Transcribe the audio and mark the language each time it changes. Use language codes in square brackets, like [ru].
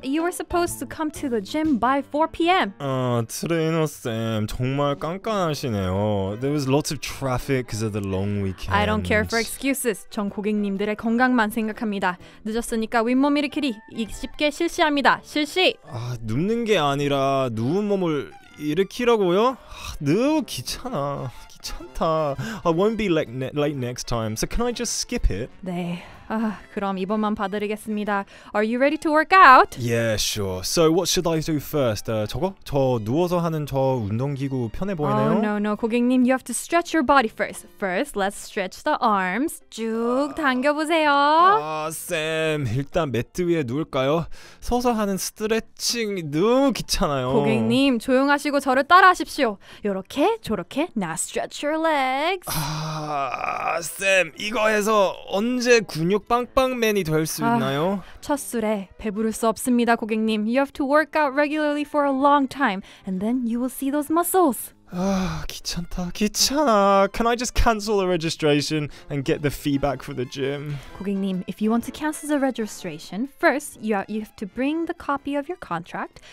[en] You were supposed to come to the gym by 4 p.m. [ko] 아, 트레이너 쌤, 정말 깐깐하시네요. [en] There was lots of traffic because of the long weekend. I don't care for excuses. [ko] 전 고객님들의 건강만 생각합니다. 늦었으니까 윗몸 일으키리, 쉽게 실시합니다. 실시! 아, 눕는 게 아니라 누운 몸을 일으키라고요? 아, 너무 귀찮아. 귀찮다. [en] I won't be late next time, so can I just skip it? [ko] 네. 아, 그럼 이번만 봐드리겠습니다. [en] Are you ready to work out? Yeah, sure. So what should I do first? [ko] 저거? 저 누워서 하는 저 운동기구 편해 보이네요? [en] Oh, no. 고객님, you have to stretch your body first. First, let's stretch the arms. [ko] 쭉 당겨보세요. 아, 쌤, 일단 매트 위에 누울까요? 서서 하는 스트레칭 너무 귀찮아요. 고객님, 조용하시고 저를 따라하십시오. 요렇게, 저렇게, [en] now stretch your legs. [ko] 아, 쌤, 이거 해서 언제 근육 빵빵맨이 될 수 있나요? 첫 술에 배부를 수 없습니다, 고객님. [en] You have to work out regularly for a long time, and then you will see those muscles. [ko] 아, 귀찮다. 귀찮아. [en] Can I just cancel the registration and get the fee back for the gym? 고객님, if you want to cancel the registration, first, you have to bring the copy of your contract.